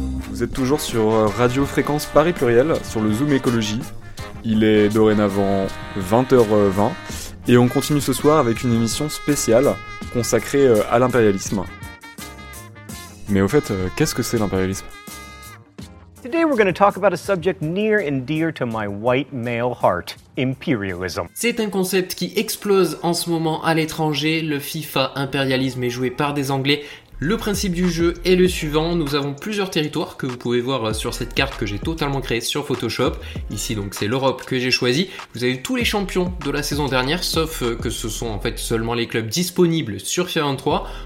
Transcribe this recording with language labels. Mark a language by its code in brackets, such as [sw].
[fr] Vous êtes toujours sur Radio Fréquence Paris Pluriel, sur le Zoom Écologie. Il est dorénavant 20h20. Et on continue ce soir avec une émission spéciale consacrée à l'impérialisme. Mais au fait, qu'est-ce que c'est l'impérialisme ? [en] Today we're going to talk about a subject near and dear to my white male heart, imperialism. [fr] C'est un concept qui explose en ce moment à l'étranger, le FIFA impérialisme est joué par des Anglais. Le principe du jeu est le suivant, nous avons plusieurs territoires que vous pouvez voir sur cette carte que j'ai totalement créée sur Photoshop. Ici donc c'est l'Europe que j'ai choisie. Vous avez tous les champions de la saison dernière, sauf que ce sont en fait seulement les clubs disponibles sur FIFA 23.